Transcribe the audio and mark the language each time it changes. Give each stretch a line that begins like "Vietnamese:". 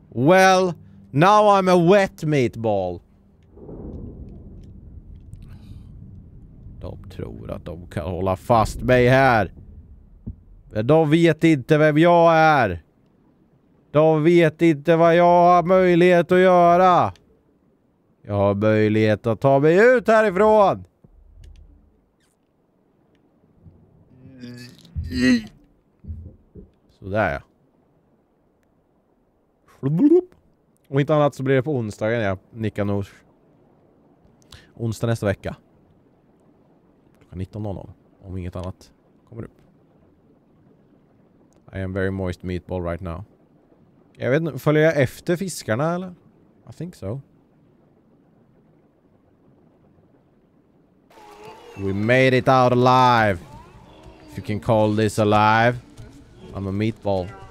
English: Well, now I'm a wet meatball.
Swedish: De tror att de kan hålla fast mig här. De vet inte vem jag är. De vet inte vad jag har möjlighet att göra. Jag har möjlighet att ta mig ut härifrån. Sådär ja. Och inte annat så blir det på onsdagen, ja. Nicka Nors. Onsdag nästa vecka. Klockan 19.00. Om inget annat kommer upp.
English: I am very moist meatball right now.
Swedish: Jag vet inte, följer jag efter fiskarna eller?
English: I think so. We made it out alive. If you can call this alive. I'm a meatball.